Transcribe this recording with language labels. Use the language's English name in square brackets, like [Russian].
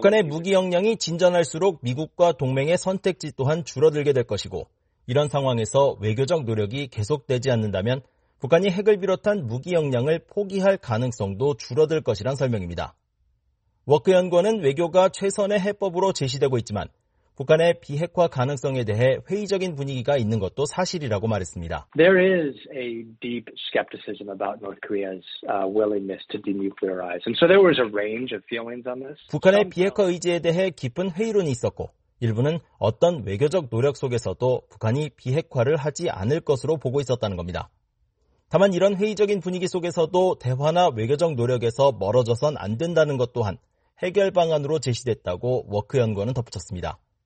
[Korean] 북한의 무기 역량이 진전할수록 미국과 동맹의 선택지 또한 줄어들게 될 것이고 이런 상황에서 외교적 노력이 계속되지 않는다면 북한이 핵을 비롯한 무기 역량을 포기할 가능성도 줄어들 것이란 설명입니다. 워크 연구원은 외교가 최선의 해법으로 제시되고 있지만 북한의 비핵화 가능성에 대해 회의적인 분위기가 있는 것도 사실이라고 말했습니다. [English] There is a deep skepticism about North Korea's willingness to denuclearize. And so there was a range of feelings on this. [Korean] 북한의 비핵화 의지에 대해 깊은 회의론이 있었고 일부는 어떤 외교적 노력 속에서도 북한이 비핵화를 하지 않을 것으로 보고 있었다는 겁니다. 다만 이런 회의적인 분위기 속에서도 대화나 외교적 노력에서 멀어져선 안 된다는 것 또한 해결 방안으로 제시됐다고 워크 연구원은 덧붙였습니다.